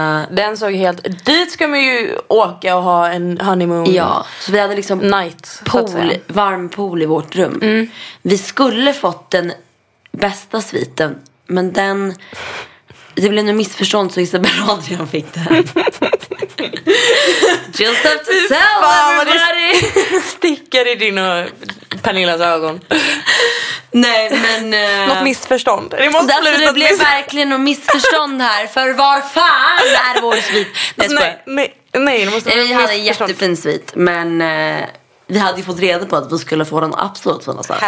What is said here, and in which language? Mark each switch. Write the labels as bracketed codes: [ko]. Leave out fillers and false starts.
[sv] Den såg helt, dit ska man ju åka och ha en honeymoon. Ja, så vi hade liksom [en] night, [sv] pool, varm pool i vårt rum. Mm. Vi skulle fått den bästa sviten, men den, det blev nog missförstånd, så Isabella och Adrian fick den. [en] Just have to tell everybody. [sv] Sticker i din och Pernillas ögon. Nej, men något missförstånd. Det måste alltså, det blev verkligen något missförstånd här. För var fan är vår svit? Nej, vi hade en jättefin svit. Men vi hade ju fått reda på att vi skulle få den absolut fina saken.